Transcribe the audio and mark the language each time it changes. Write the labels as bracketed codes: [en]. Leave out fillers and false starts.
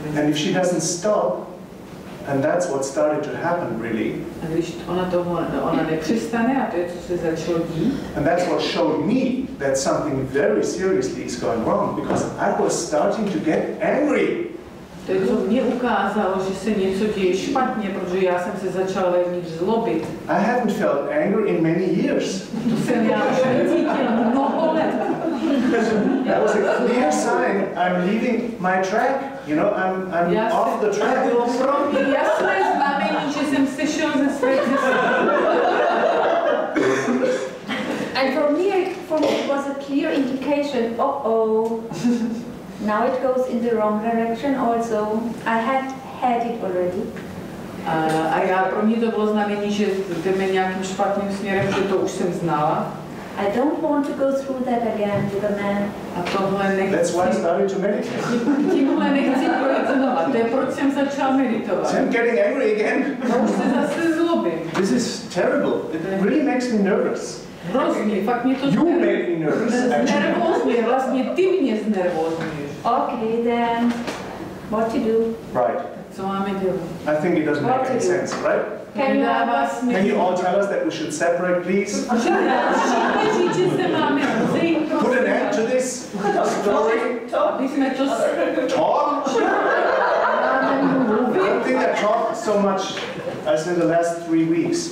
[en] And if she doesn't stop, and that's what started to happen, really. [cs] A když ona nepřestane, a to je, co se začalo dít. [en] And that's what showed me that something very seriously is going wrong, because I was starting to get angry. [cs] To je, co mě ukázalo, že se něco děje špatně, protože já jsem se začal vevnitř zlobit. [en] I haven't felt anger in many years. [cs] To jsem já už necítil mnoho let. [en] That was a clear sign I'm leaving my track. You know, I'm off the track. [cs] Já jsem jasné znamení, že jsem sešel ze své cesty. [en] And for me it was a clear indication, uh-oh. Now it goes in the wrong direction also. I had it already. [cs] A já pro mě to bylo znamení, že jdeme nějakým špatným směrem, že to už jsem znala. [en] I don't want to go through that again with a man. [cs] A tohle nechci. [en] That's why I started to meditate. [cs] Tímhle nechci projít znova. To je, proč jsem začal meditovat. [en] I'm getting angry again. [cs] No už se zase zlobím. [en] This is terrible. It really makes me nervous. [cs] Hrozně, fakt mě to znervózně, vlastně ty mě znervózněš. [en] Okay, then, what to do? Right. [cs] Co máme dělat? [en] I think it doesn't make any sense, right? Can you all tell us that we should separate, please? Put an end to this story. Talk? I don't think I talked so much as in the last 3 weeks.